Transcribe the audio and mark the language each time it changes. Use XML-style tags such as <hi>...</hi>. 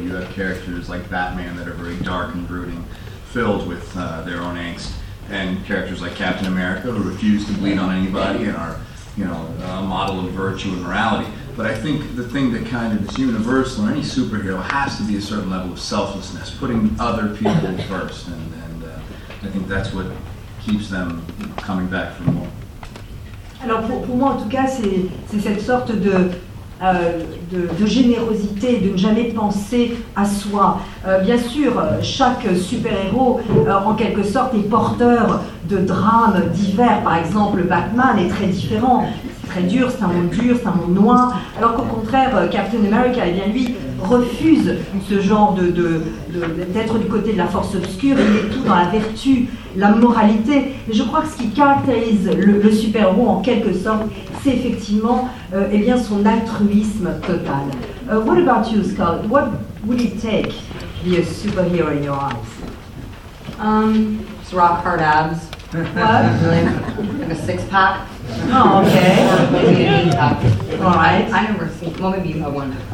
<en>You have characters like Batman that are very dark and brooding, filled with their own angst, and characters like Captain America who refuse to bleed on anybody and are, you know, a model of virtue and morality. But I think the thing that kind of is universal in any superhero has to be a certain level of selflessness, putting other people first, and I think that's what keeps them coming back for more.</en> <fr>Alors pour moi, en tout cas, c'est cette sorte de générosité, de ne jamais penser à soi. Bien sûr, chaque super-héros, en quelque sorte, est porteur de drames divers. Par exemple, Batman est très différent. Très dur, c'est un monde dur, c'est un monde noir. Alors qu'au contraire, Captain America, eh bien lui, refuse ce genre de d'être du côté de la force obscure. Il est tout dans la vertu, la moralité. Mais je crois que ce qui caractérise le super-héros en quelque sorte, c'est effectivement eh bien son altruisme total.</fr> <en>What about you, Scott? What would it take to be a superhero in your eyes? It's rock hard abs. What? Like a six-pack. Oh, okay. Maybe an eight-pack. All right. I never seen... Well, maybe you have one.</en>